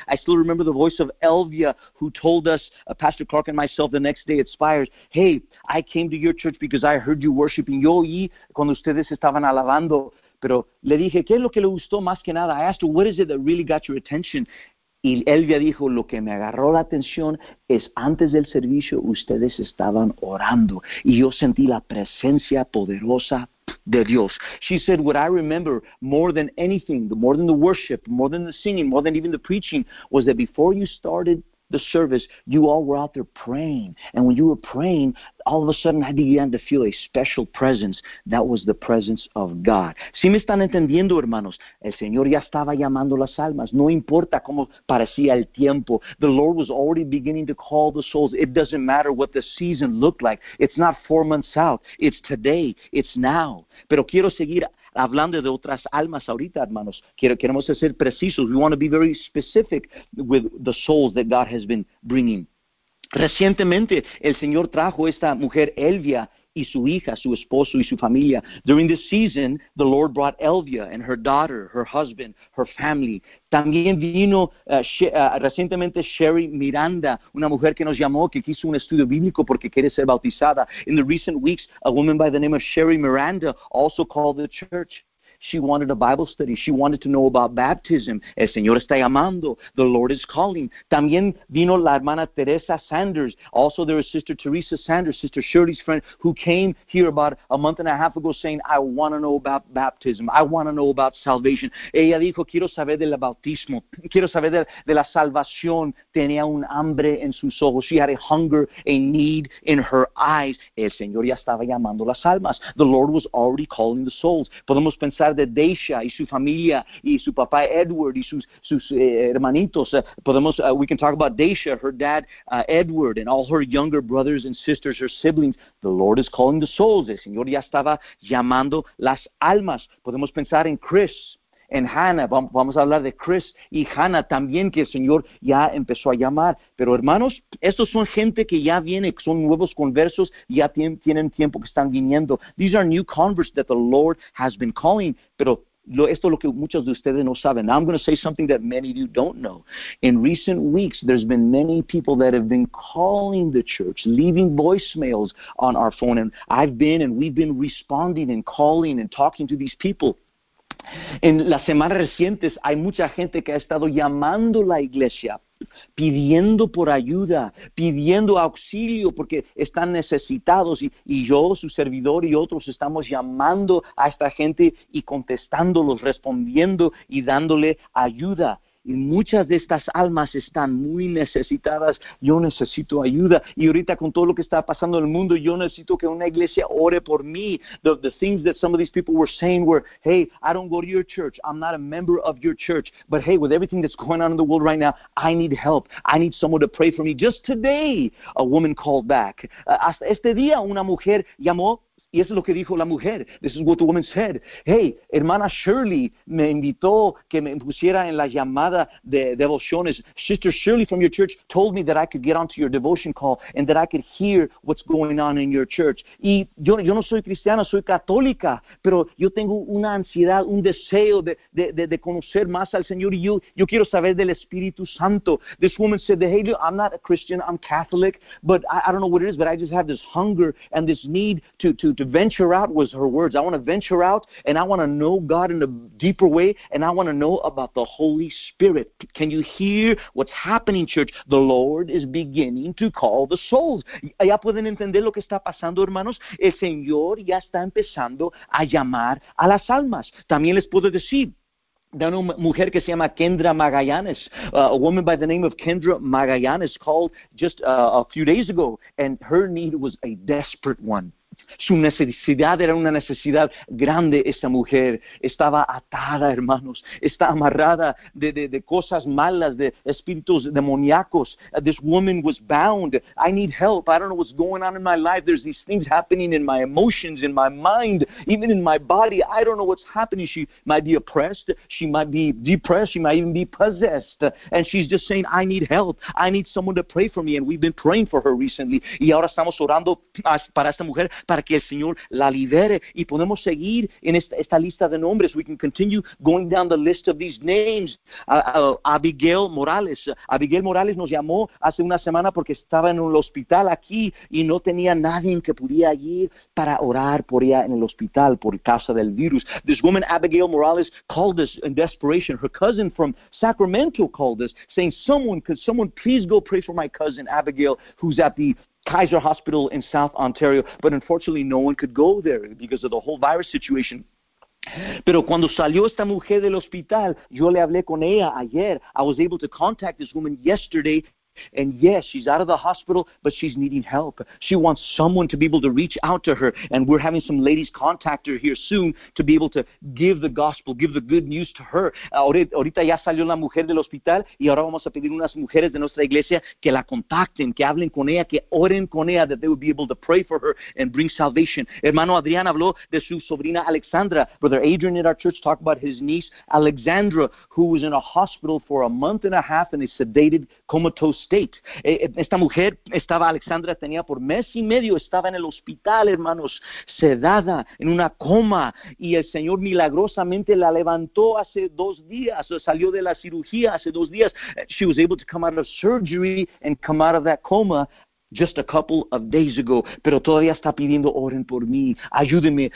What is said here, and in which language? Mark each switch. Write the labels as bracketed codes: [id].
[en] I still remember the voice of Elvia who told us, Pastor Clark and myself, the next day at Spires, hey, I came to your church because I heard you worshiping. [es] Yo oí cuando ustedes estaban alabando, pero le dije, ¿qué es lo que le gustó más que nada? [en] I asked her, what is it that really got your attention? [es] Y Elvia dijo, lo que me agarró la atención es antes del servicio, ustedes estaban orando. Y yo sentí la presencia poderosa de Dios. [en] She said, what I remember more than anything, more than the worship, more than the singing, more than even the preaching, was that before you started the service, you all were out there praying. And when you were praying, all of a sudden I began to feel a special presence. That was the presence of God. [es] ¿Sí me están entendiendo, hermanos? El Señor ya estaba llamando las almas. No importa cómo parecía el tiempo. [en] The Lord was already beginning to call the souls. It doesn't matter what the season looked like. It's not 4 months out. It's today. It's now. [es] Pero quiero seguir hablando de otras almas ahorita, hermanos. Queremos ser precisos. [en] We want to be very specific with the souls that God has been bringing. [es] Recientemente, el Señor trajo esta mujer, Elvia, y su hija, su esposo, y su familia. [en] During this season, the Lord brought Elvia and her daughter, her husband, her family. [es] También vino recientemente Sherry Miranda, una mujer que nos llamó, que quiso un estudio bíblico porque quiere ser bautizada. [en] In the recent weeks, a woman by the name of Sherry Miranda also called the church. She wanted a Bible study. She wanted to know about baptism. [es] El Señor está llamando. [en] The Lord is calling. [es] También vino la hermana Teresa Sanders. [en] Also, there is Sister Teresa Sanders, Sister Shirley's friend, who came here about a month and a half ago saying, I want to know about baptism. I want to know about salvation. [es] Ella dijo, quiero saber del bautismo. Quiero saber de la salvación. Tenía un hambre en sus ojos. [en] She had a hunger, a need in her eyes. [es] El Señor ya estaba llamando las almas. [en] The Lord was already calling the souls. [es] Podemos pensar de Deisha y su familia y su papá Edward y sus hermanitos. [en] We can talk about Deisha, her dad Edward, and all her younger brothers and sisters, her siblings. The Lord is calling the souls. [es] El Señor ya estaba llamando las almas. Podemos pensar en Chris and Hannah. Vamos a hablar de Chris y Hannah también, que el Señor ya empezó a llamar. Pero hermanos, estos son gente que ya viene, que son nuevos conversos, ya tienen tiempo que están viniendo. [en] These are new converts that the Lord has been calling. [es] Pero esto es lo que muchos de ustedes no saben. [en] Now I'm going to say something that many of you don't know. In recent weeks, there's been many people that have been calling the church, leaving voicemails on our phone. And I've been and we've been responding and calling and talking to these people. [es] En las semanas recientes hay mucha gente que ha estado llamando la iglesia pidiendo por ayuda, pidiendo auxilio porque están necesitados y yo, su servidor y otros estamos llamando a esta gente y contestándolos, respondiendo y dándole ayuda. Y muchas de estas almas están muy necesitadas. Yo necesito ayuda. Y ahorita con todo lo que está pasando en el mundo, yo necesito que una iglesia ore por mí. [en] The things that some of these people were saying were, hey, I don't go to your church. I'm not a member of your church. But hey, with everything that's going on in the world right now, I need help. I need someone to pray for me. Just today, a woman called back. [es] Hasta este día, una mujer llamó. Y eso es lo que dijo la mujer. [en] This is what the woman said. [es] Hey, hermana Shirley me invitó que me pusiera en la llamada de devociones. [en] Sister Shirley from your church told me that I could get onto your devotion call and that I could hear what's going on in your church. [es] Y yo no soy cristiana, soy católica, pero yo tengo una ansiedad, un deseo de conocer más al Señor y yo quiero saber del Espíritu Santo. [en] This woman said, hey, I'm not a Christian, I'm Catholic, but I don't know what it is, but I just have this hunger and this need to venture out was her words. I want to venture out and I want to know God in a deeper way and I want to know about the Holy Spirit. Can you hear what's happening, church? The Lord is beginning to call the souls. [es] ¿Ya pueden entender lo que está pasando, hermanos? El Señor ya está empezando a llamar a las almas. También les puedo decir de una mujer que se llama Kendra Magallanes, [en] a woman by the name of Kendra Magallanes called just a few days ago and her need was a desperate one. [es] Su necesidad era una necesidad grande. Esta mujer estaba atada, hermanos. Está amarrada de cosas malas, de espíritus demoníacos. [en] This woman was bound. I need help. I don't know what's going on in my life. There's these things happening in my emotions, in my mind, even in my body. I don't know what's happening. She might be oppressed. She might be depressed. She might even be possessed. And she's just saying, I need help. I need someone to pray for me. And we've been praying for her recently. [es] Y ahora estamos orando para esta mujer, para que el Señor la libere. Y podemos seguir en esta lista de nombres. [en] We can continue going down the list of these names. Abigail Morales. [es] Abigail Morales nos llamó hace una semana porque estaba en un hospital aquí y no tenía nadie que pudiera ir para orar por ella en el hospital por causa del virus. [en] This woman, Abigail Morales, called us in desperation. Her cousin from Sacramento called us, saying, someone, could someone please go pray for my cousin, Abigail, who's at the Kaiser Hospital in South Ontario, but unfortunately no one could go there because of the whole virus situation. [es] Pero cuando salió esta mujer del hospital, yo le hablé con ella ayer. [en] I was able to contact this woman yesterday. And yes, she's out of the hospital, but she's needing help. She wants someone to be able to reach out to her. And we're having some ladies contact her here soon to be able to give the gospel, give the good news to her. [es] Ahorita ya salió la mujer del hospital y ahora vamos a pedir unas mujeres de nuestra iglesia que la contacten, que hablen con ella, que oren con ella, [en] that they will be able to pray for her and bring salvation. [es] Hermano Adrián habló de su sobrina Alexandra. [en] Brother Adrian in our church talked about his niece Alexandra, who was in a hospital for a month and a half in a sedated, comatose state. [es] Esta mujer estaba, Alexandra tenía por mes y medio, estaba en el hospital, hermanos, sedada, en una coma, y el Señor milagrosamente la levantó hace dos días, salió de la cirugía hace dos días. [en] She was able to come out of surgery and come out of that coma just a couple of days ago, [es] pero todavía está pidiendo oren por mí, ayúdenme.